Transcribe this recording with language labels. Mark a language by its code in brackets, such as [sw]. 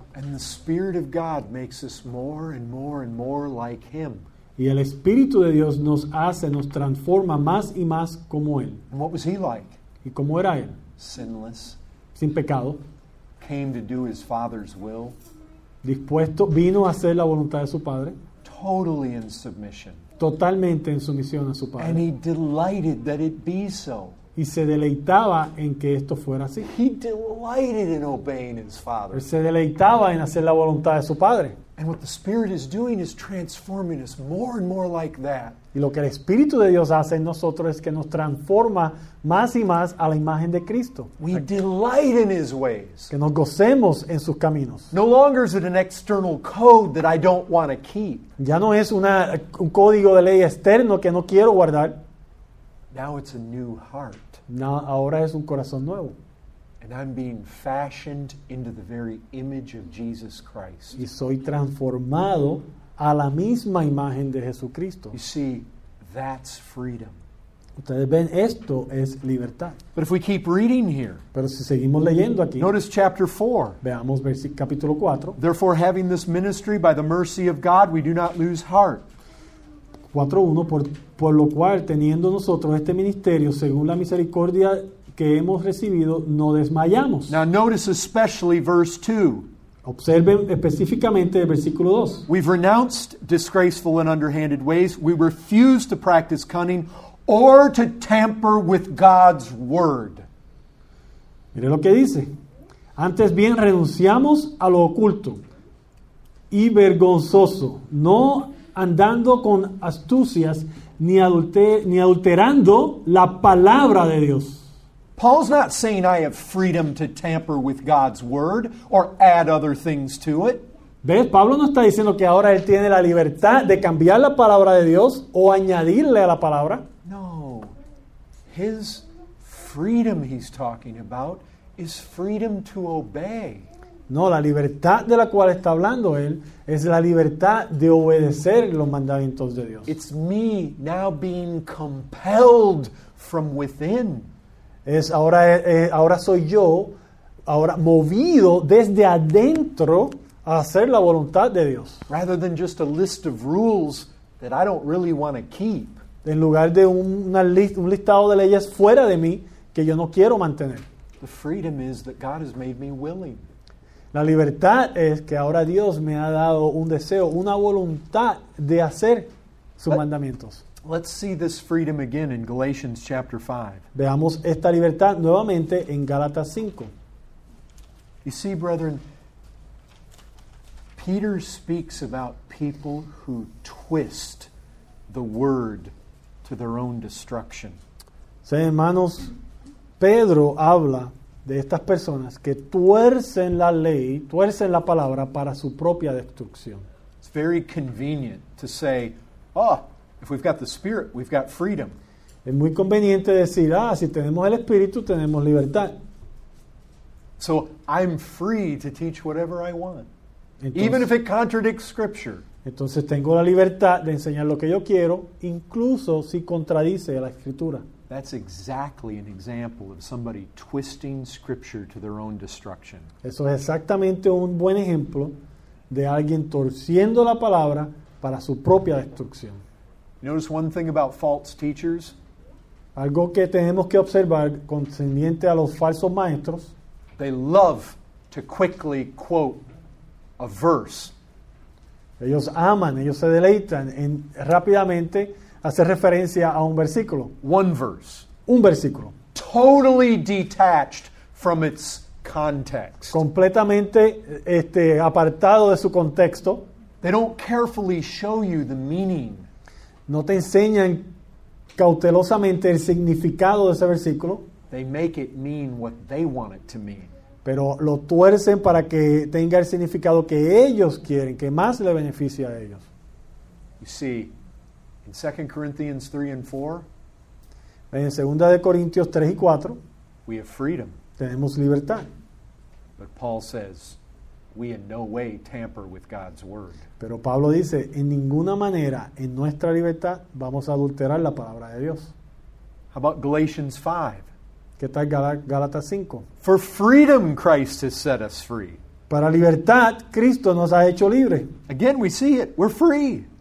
[en] And the Spirit of God makes us more and more and more like Him. [es] Y el Espíritu de Dios nos hace, nos transforma más y más como Él. [en] And what was He like? [es] ¿Y cómo era Él? [en] Sinless. [es] Sin pecado. [en] Came to do His Father's will. [es] Dispuesto, vino a hacer la voluntad de su Padre. [en] Totally in submission. [es] Totalmente en sumisión a su Padre. [en] And he delighted that it be so. [es] Y se deleitaba en que esto fuera así. [en] He delighted in obeying his Father. [es] Se deleitaba en hacer la voluntad de su Padre. [en] And what the Spirit is doing is transforming us more and more like that. [es] Y lo que el Espíritu de Dios hace en nosotros es que nos transforma más y más a la imagen de Cristo. [en] We delight in his ways. [es] Que nos gocemos en sus caminos. [en] No longer is it an external code that I don't want to keep. [es] Ya no es un código de ley externo que no quiero guardar. [en] Now it's a new heart. [es] No, ahora es un corazón nuevo. [en] And I'm being fashioned into the very image of Jesus Christ. [es] Y soy transformado a la misma imagen de Jesucristo. [en] You see, that's freedom. [es] Ustedes ven, esto es libertad. [en] But if we keep reading here, [es] pero si seguimos leyendo aquí, [en] notice chapter 4. [es] Veamos capítulo 4. [en] Therefore, having this ministry by the mercy of God, we do not lose heart. [es] 4:1, por lo cual, teniendo nosotros este ministerio, según la misericordia que hemos recibido, no desmayamos. [en] Now notice especially verse 2. [es] Observen específicamente el versículo 2. [en] We've renounced disgraceful and underhanded ways. We refuse to practice cunning or to tamper with God's word. [es] Mire lo que dice. Antes bien renunciamos a lo oculto y vergonzoso, no andando con astucias ni adulterando la palabra de Dios. [en] Paul's not saying I have freedom to tamper with God's word or add other things to it. [es] ¿Ves? Pablo no está diciendo que ahora él tiene la libertad de cambiar la palabra de Dios o añadirle a la palabra. No. [en] His freedom he's talking about is freedom to obey. [es] No, la libertad de la cual está hablando él es la libertad de obedecer los mandamientos de Dios. [en] It's me now being compelled from within. [es] Ahora soy yo, ahora movido desde adentro a hacer la voluntad de Dios. [en] Rather than just a list of rules that I don't really want to keep. [es] En lugar de un listado de leyes fuera de mí que yo no quiero mantener. [en] The freedom is that God has made me willing. [es] La libertad es que ahora Dios me ha dado un deseo, una voluntad de hacer sus mandamientos. [en] Let's see this freedom again in Galatians chapter 5. [es] Veamos esta libertad nuevamente en Gálatas 5. [en] You see, brethren, Peter speaks about people who twist the word to their own destruction. [es] Sí, hermanos, Pedro habla de estas personas que tuercen la ley, tuercen la palabra para su propia destrucción. [en] It's very convenient to say, oh, if we've got the Spirit, we've got freedom. [es] Es muy conveniente decir, ah, si tenemos el Espíritu, tenemos libertad. [en] So I'm free to teach whatever I want. [es] Entonces, [en] even if it contradicts Scripture. [es] Entonces tengo la libertad de enseñar lo que yo quiero, incluso si contradice la Escritura. [en] That's exactly an example of somebody twisting Scripture to their own destruction. [es] Eso es exactamente un buen ejemplo de alguien torciendo la palabra para su propia destrucción. [en] Notice one thing about false teachers. [es] Algo que tenemos que observar concerniente a los falsos maestros. [en] They love to quickly quote a verse. [es] Ellos aman, ellos se deleitan en rápidamente hace referencia a un versículo. [en] One verse. [es] Un versículo. [en] Totally detached from its context. [es] Completamente apartado de su contexto. [en] They don't carefully show you the meaning. [es] No te enseñan cautelosamente el significado de ese versículo. [en] They make it mean what they want it to mean. [es] Pero lo tuercen para que tenga el significado que ellos quieren, que más le beneficie a ellos. [en] You see, in 2 Corinthians 3 and 4, [es] en 2 de Corintios 3 y 4, [en] we have freedom. [es] Tenemos libertad. [en] But Paul says, we in no way tamper with God's word. [es] Pero Pablo dice, en ninguna manera, en nuestra libertad, vamos a adulterar la palabra de Dios. [en] How about Galatians 5? [es] ¿Qué tal Gálatas 5? [en] For freedom, Christ has set us free. [es] Para libertad, Cristo nos ha hecho libre. [en] Again, we see it. We're free.